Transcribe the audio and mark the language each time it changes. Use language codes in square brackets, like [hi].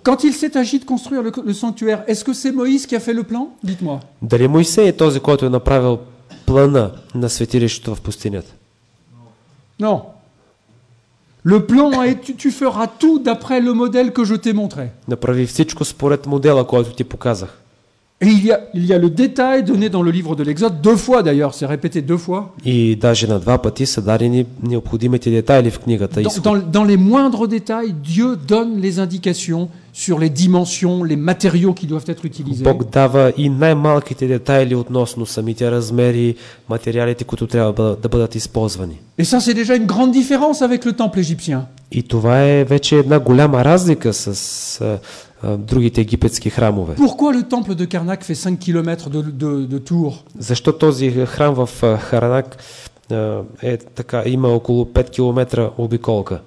[fr] Quand il s'est agi de construire le sanctuaire, est-ce que c'est Moïse qui a fait le plan? Dites-moi. [bg] Дали Моисей е този, който е направил плана на светилището в пустинята? Non. [fr] Le plan est tu feras tout d'après le modèle que je t'ai montré. [bg] Направи всичко според модела, който ти показах. [fr] Et il y a le détail donné dans le livre de l'Exode deux fois d'ailleurs, c'est répété deux fois. [bg] И даже на два пъти са дадени необходимите детайли в книгата. [fr] Dans les moindres détails, Dieu donne les indications sur les dimensions, les matériaux qui doivent être utilisés. [bg] Бог дава и най-малките детайли относно самите размери, материалите, които трябва да бъдат използвани. [fr] Et ça c'est déjà une grande différence avec le temple égyptien. [bg] И това е вече една голяма разлика с другите египетски храмове. [fr] Pourquoi le temple de Karnak fait 5 km de tour? [bg] Защо този храм в Харанак е така, има около 5 км обиколка?